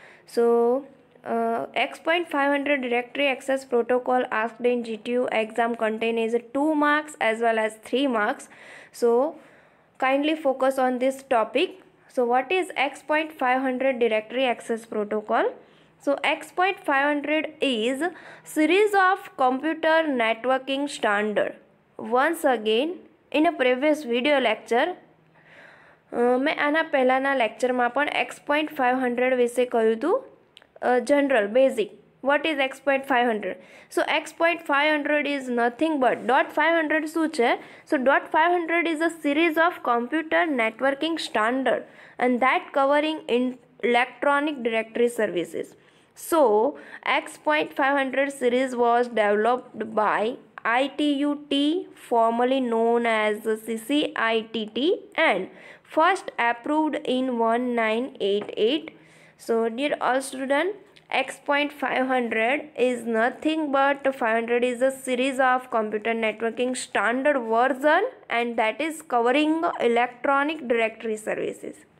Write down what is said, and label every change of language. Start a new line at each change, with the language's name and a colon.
English: So X.500 directory access protocol asked in GTU exam contain is 2 marks as well as 3 marks. So kindly focus on this topic. So what is X.500 directory access protocol? So X.500 is series of computer networking standard. Once again, in a previous video lecture,
Gujarati: મેં આના પહેલાના લેક્ચરમાં પણ X.500 વિશે કહ્યું હતું,
English: General basic what is X.500. So X.500 is nothing but .500 શું છે? So .500 is a series of computer networking standard and that covering in electronic directory services. So X.500 series was developed by ITUT, formerly known as CCITT, and first approved in 1988. So dear all student, X.500 is nothing but 500 is a series of computer networking standard version, and that is covering electronic directory services.